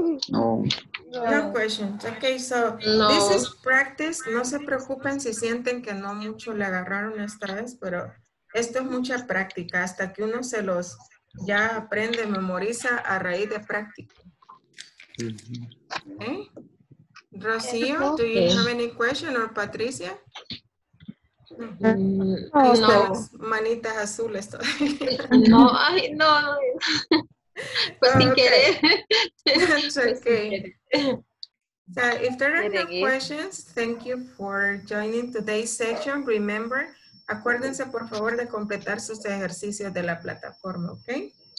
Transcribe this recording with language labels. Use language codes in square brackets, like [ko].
[en] No. No questions. Okay, so no. This is practice. [es] No se preocupen si sienten que no mucho le agarraron esta vez, pero esto es mucha práctica. Hasta que uno se los ya aprende, memoriza a raíz de práctica. [en] Okay. Rocío, do you have any question or Patricia? No. [es] Manitas azules todavía. No, ay, no. Pues sin querer. [en] That's okay. So if there are no questions, thank you for joining today's session. Remember, [es] acuérdense por favor de completar sus ejercicios de la plataforma, okay?